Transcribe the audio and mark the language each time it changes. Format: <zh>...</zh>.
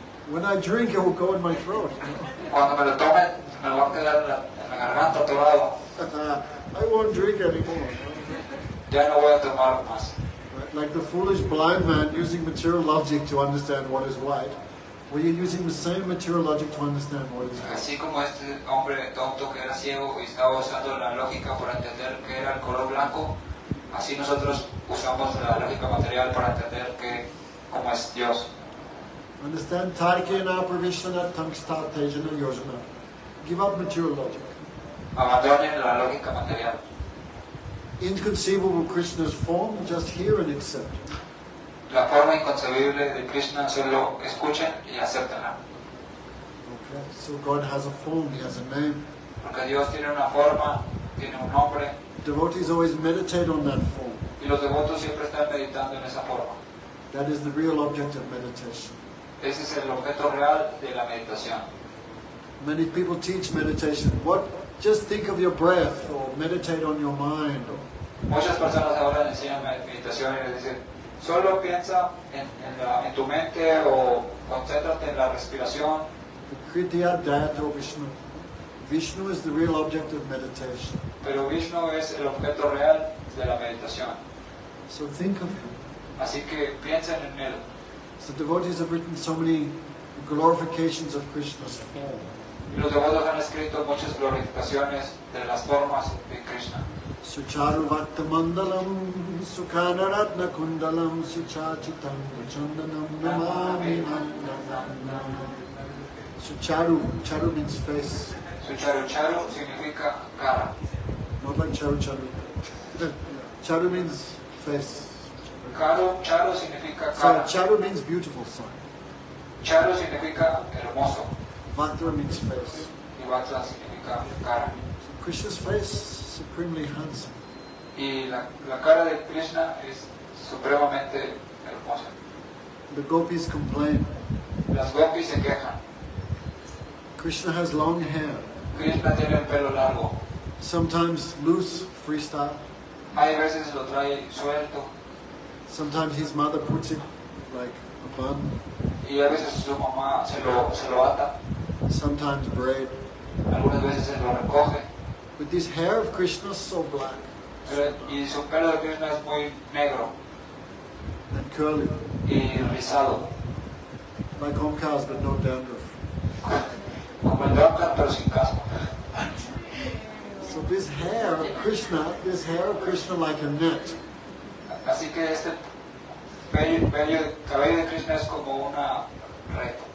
<en>When I drink, it will go in my throat.</en> <es>Cuando me lo tome, me va a quedar en la garganta atorado.</es> <en>I won't drink anymore.</en> <es>Ya no voy a tomar más.</es> <en>Like the foolish blind man using material logic to understand what is white. Were you using the same material logic to understand what is white?</en> <es>Así como este hombre tonto que era ciego y estaba usando la lógica para entender que era el color blanco, así nosotros usamos la lógica material para entender que como es Dios.</es> <sa>Understand Tarkena, Pravishana, Tangsta, Tejana, Yojana.</sa> <en>Give up material logic.</en> <es>Abandonen la lógica material.</es> <en>Inconceivable Krishna's form, just hear and accept.</en> <es>La forma inconcebible de Krishna, solo escuchen y acéptenla.</es> <en>Okay, so God has a form, he has a name.</en> <es>Porque Dios tiene una forma, tiene un nombre.</es> <en>Devotees always meditate on that form.</en> <es>Y los devotos siempre están meditando en esa forma.</es> <en>That is the real object of meditation.</en> <es>Ese es el objeto real de la meditación.</es> <en>Many people teach meditation. What? Just think of your breath, or meditate on your mind. Or...</en> <es>Muchas personas ahora enseñan meditación y les dicen, solo piensa en tu mente o concéntrate en la respiración.</es> <sa>Kriti Adyato Vishnu.</sa> <en>Vishnu is the real object of meditation.</en> <es>Pero Vishnu es el objeto real de la meditación.</es> <en>So think of him.</en> <es>Así que piensen en él.</es> <en>So devotees have written so many glorifications of Krishna's form.</en> <es>Y los devotos han escrito muchas glorificaciones de las formas de Krishna.</es> <sa>Sucharu Vatta Mandalam, Sukhana Ratna Kundalam, Suchachitam, Chandanam, Namami Nandanam.</sa> <en>Sucharu, charu means face.</en> <es>Sucharu, charu significa cara.</es> <en>Not like charu, charu. Charu means face.</en> <es>Charu, charu significa cara.</es> <en>So, charu means beautiful sign.</en> <es>Charu significa hermoso.</es> <en>Vatra means face.</en> <es>Y Vatra significa cara.</es> <en>So Krishna's face is supremely handsome.</en> <es>Y la cara de Krishna es supremamente hermosa.</es> <en>The gopis complain.</en> <es>Las gopis se quejan.</es> <en>Krishna has long hair.</en> <es>Krishna tiene el pelo largo.</es> <en>Sometimes loose, freestyle.</en> <es>Hay veces lo trae suelto.</es> <en>Sometimes his mother puts it like a bun.</en> <es>Y a veces su mamá se lo ata.</es> <en>Sometimes braid.</en> <es>Algunas veces se lo recoge.</es> <en>But this hair of Krishna is so black.</en> <es>Y su pelo de Krishna es muy negro.</es> <en>And curly.</en> <es>Y rizado.</es> <en>Like Omkars, but no dandruff.</en> <es>Como el dandruff, pero sin casco.</es> <en>So this hair of Krishna, this hair of Krishna like a net.</en> <es>Así que este bello cabello de Krishna es como una red.</es>